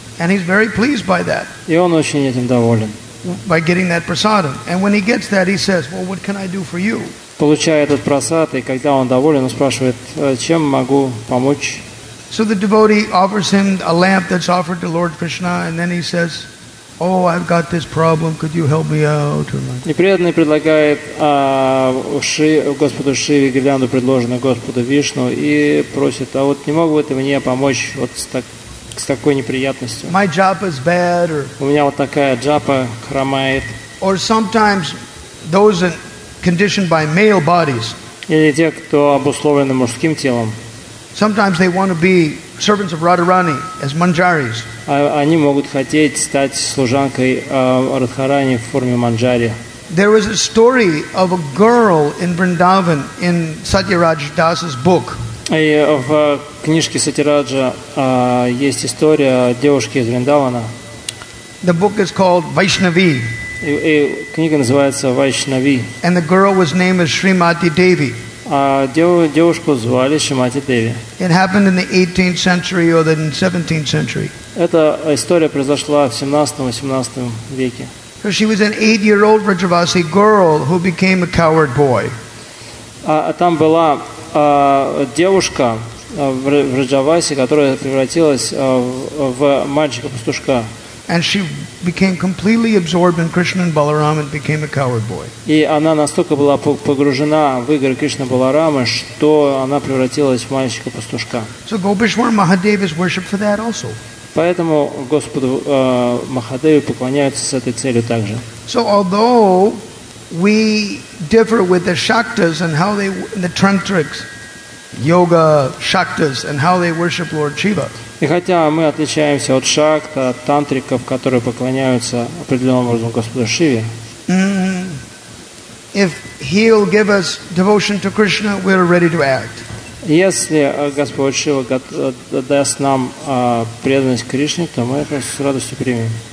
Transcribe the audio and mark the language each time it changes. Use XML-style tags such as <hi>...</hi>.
<en>And he's very pleased by that.</en> <ru>И он очень этим доволен.</ru> <en>By getting that prasadam. And when he gets that, he says, well, what can I do for you?</en> <ru>Получая этот прасад, и когда он доволен, он спрашивает, чем могу помочь?</ru> <en>So the devotee offers him a lamp that's offered to Lord Krishna, and then he says, oh, I've got this problem. Could you help me out?</en> <ru>И преданный предлагает Господу Шиве гирлянду, предложенную Господу Вишну, и просит, а вот не мог бы ты мне помочь вот с такой неприятностью?</ru> <en>My japa is bad.</en> <ru>У меня вот такая джапа хромает.</ru> <en>Or sometimes those conditioned by male bodies.</en> <ru>Или те, кто обусловлены мужским телом.</ru> <en>Sometimes they want to be servants of Radharani as manjaris.</en> <ru>Они могут хотеть стать служанкой Радхарани в форме манджари.</ru> <en>There is a story of a girl in Vrindavan in Satyaraj Das's book.</en> <ru>В книжке Сатираджа есть история девушки из Вриндавана.</ru> <en>The book is called Vaishnavi.</en> <ru>Книга называется Вайшнави.</ru> <en>And the girl was named as Shrimati Devi.</en> <ru>Девушку звали Шримати Деви.</ru> <en>It happened in the 18th century or the 17th century.</en> <ru>Эта история произошла в 17-18 веке.</ru> <en>So she was an 8-year-old Vrajavasi girl who became a coward boy.</en> <ru>Там была девушка в Раджавасе, которая превратилась в мальчика-пастушка.</ru> <en>And she became completely absorbed in Krishna and Balaram and became a coward boy.</en> <ru>И она настолько была погружена в игры Кришны Баларамы, что она превратилась в мальчика-пастушка.</ru> <en>So Gopeshwar Mahadev is worshipped for that also.</en> <ru>Поэтому Господу Махадеве поклоняются с этой целью также.</ru> <en>So although we differ with the Shaktas and how they the tantrics, yoga Shaktas and how they worship Lord Shiva.</en> <ru>И хотя мы отличаемся от шакт, от тантриков, которые поклоняются определенным образом Господу Шиве.</ru> <en>If he'll give us devotion to Krishna, we're ready to act.</en> <ru>Если Господь Шива даст нам преданность Кришне, то мы это с радостью примем.</ru>